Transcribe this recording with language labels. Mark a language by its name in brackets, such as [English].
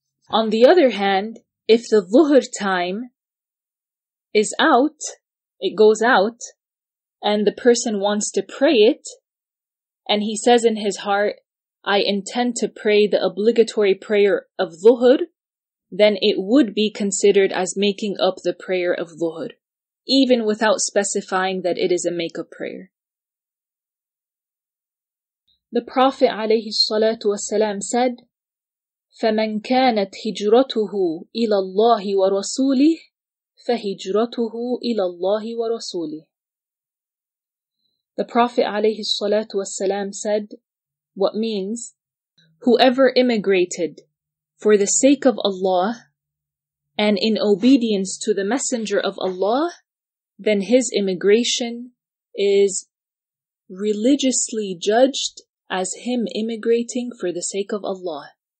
[English] On the other hand, if the dhuhr time is out, it goes out, and the person wants to pray it, and he says in his heart, I intend to pray the obligatory prayer of dhuhr, then it would be considered as making up the prayer of dhuhr, even without specifying that it is a makeup prayer. The Prophet [Arabic] عليه الصلاة والسلام [English] said, [Arabic] فَمَنْ كَانَتْ هِجْرَتُهُ إِلَى اللَّهِ وَرَسُولِهِ فَهِجْرَتُهُ إِلَى اللَّهِ وَرَسُولِهِ. [English] The Prophet [Arabic] عليه الصلاة والسلام [English] said, what means, whoever immigrated for the sake of Allah and in obedience to the Messenger of Allah, then his immigration is religiously judged as him immigrating for the sake of Allah.